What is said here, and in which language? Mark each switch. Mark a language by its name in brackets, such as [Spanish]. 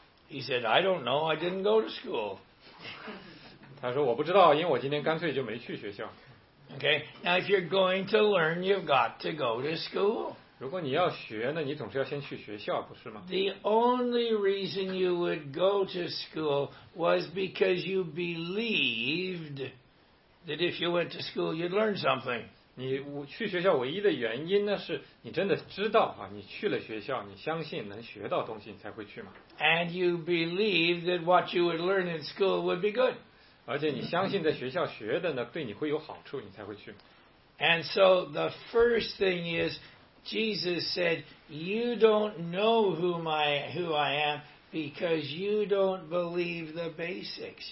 [English] He said, I don't know, I didn't go to school. [Chinese] 他说我不知道，因为我今天干脆就没去学校。 [English] Okay, now if you're going to learn, you've got to go to school. [Chinese] 如果你要学呢, 你总是要先去学校, 不是吗? [English] The only reason you would go to school was because you believed that if you went to school, you'd learn something. [Chinese] 你去学校唯一的原因呢, 是你真的知道啊, 你去了学校, 你相信能学到东西, 你才会去嘛。 [English] And you believe that what you would learn in school would be good. [Chinese] 而且你相信在学校学的呢，对你会有好处，你才会去。 [English] And so the first thing is, Jesus said, "You don't know who I am because you don't believe the basics.